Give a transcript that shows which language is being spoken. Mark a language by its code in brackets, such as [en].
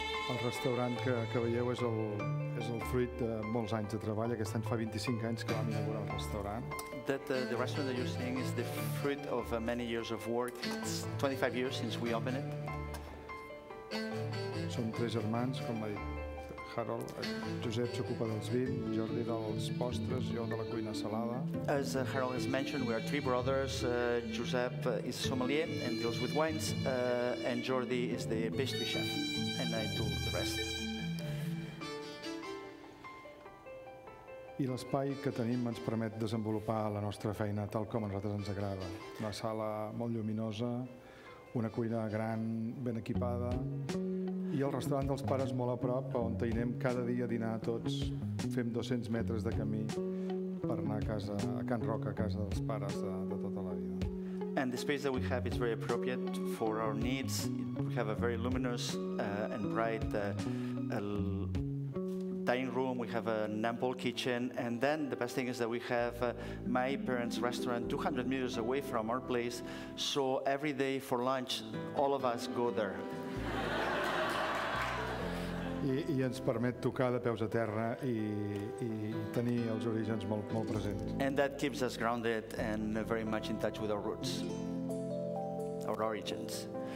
[ca] El restaurant que veieu és el fruit de molts anys de treball. Aquest any fa 25 anys que vam inaugurar el restaurant. [en] that the restaurant that you're seeing is the fruit of many years of work. It's 25 years since we opened it. [ca] Som tres germans, com ha dit Harold. Josep s'ocupa dels vins, Jordi dels postres, jo de la cuina salada. [en] As Harold has mentioned, we are three brothers. Josep is sommelier and deals with wines, and Jordi is the pastry chef, and I do the rest. [ca] I l'espai que tenim ens permet desenvolupar la nostra feina tal com a nosaltres ens agrada. Una sala molt lluminosa, una cuina gran, ben equipada, i el restaurant dels pares molt a prop, on hi anem cada dia a dinar tots. Fem 200 metres de camí per anar a casa, a Can Roca, a casa dels pares de tota la vida. [en] And the space that we have is very appropriate for our needs. We have a very luminous and bright dining room, we have an ample kitchen, and then the best thing is that we have my parents' restaurant 200 meters away from our place, so every day for lunch, all of us go there. [ca] I ens permet tocar de peus a terra i tenir els orígens molt presents. [en] And that keeps us grounded and very much in touch with our roots, our origins.